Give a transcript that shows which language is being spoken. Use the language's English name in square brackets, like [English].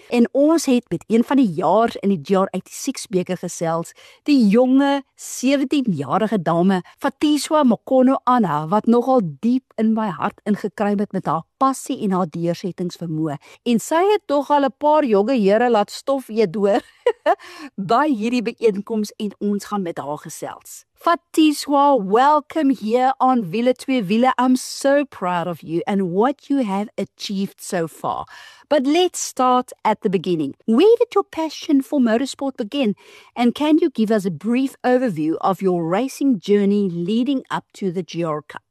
[Afrikaans] En ons het met een van die jaars in die GR86 beker gesels, die jonge 17-jarige dame Fatiswa Mokono Anna, wat nogal diep in my hart ingekruim het met haar passie en haar deursettingsvermoë. En sy het tog al 'n paar jonge here laat stof eet hoor by hierdie byeenkoms en ons gaan met haar gesels. [English] Fatiswa, welcome here on Wiele 2 Wiele. I'm so proud of you and what you have achieved so far. But let's start at the beginning. Where did your passion for motorsport begin? And can you give us a brief overview of your racing journey leading up to the GR Cup?